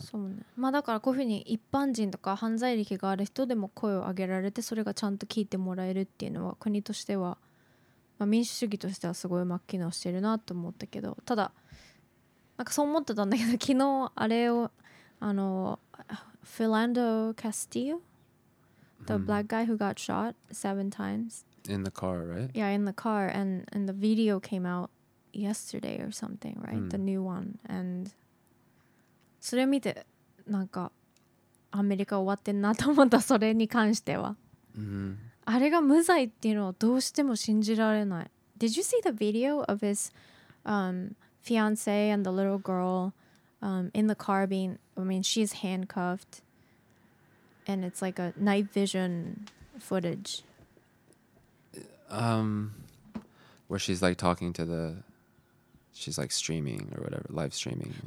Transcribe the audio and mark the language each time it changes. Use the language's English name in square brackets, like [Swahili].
[Japanese] そうね。まあだからこういうふうに一般人とか犯罪歴がある人でも声を上げられて、それがちゃんと聞いてもらえるっていうのは国としては、まあ、民主主義としてはすごいうまく機能してるなと思ったけど、ただなんかそう思ってたんだけど、昨日あれを [English] Fernando Castillo, the black guy who got shot 7 times in the car, right? Yeah, in the car, and the video came outyesterday or something, right? The new one. And [Japanese] それ見てなんかアメリカ終わってんなと思った、それに関しては。あれが無罪っていうのはどうしても信じられない。 [English] Did you see the video of his fiance and the little girl in the car being, I mean, she's handcuffed and it's like a night vision footage where she's like talking to the She's like streaming or whatever, live streaming.